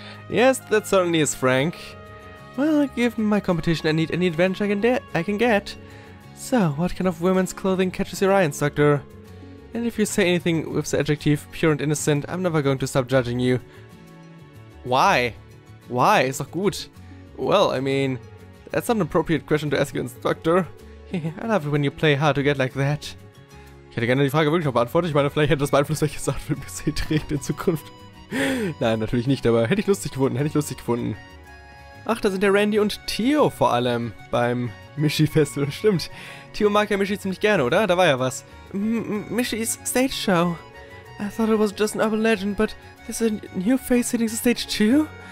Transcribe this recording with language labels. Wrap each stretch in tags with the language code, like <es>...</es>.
<en>Yes, that certainly is frank. Well, given my competition, I need any adventure I can get. So, what kind of women's clothing catches your eye, Instructor? And if you say anything with the adjective pure and innocent, I'm never going to stop judging you. Why? Why?</en> <de>Ist doch gut.</de> <en>Well, I mean, that's not an appropriate question to ask your instructor. I love it when you play hard to get like that.</en> <de>Ich hätte gerne die Frage wirklich noch beantwortet. Ich meine, vielleicht hätte das beeinflusst, welches Outfit mir sie trägt in Zukunft. Nein, natürlich nicht, aber hätte ich lustig gefunden, hätte ich lustig gefunden. Ach, da sind ja Randy und Theo vor allem beim Mishi-Festival. Stimmt, Theo mag ja Mishi ziemlich gerne, oder? Da war ja was.</de> <en>Mishi's Stage Show. I thought it was just an urban legend, but there's a new face hitting the stage too?</en>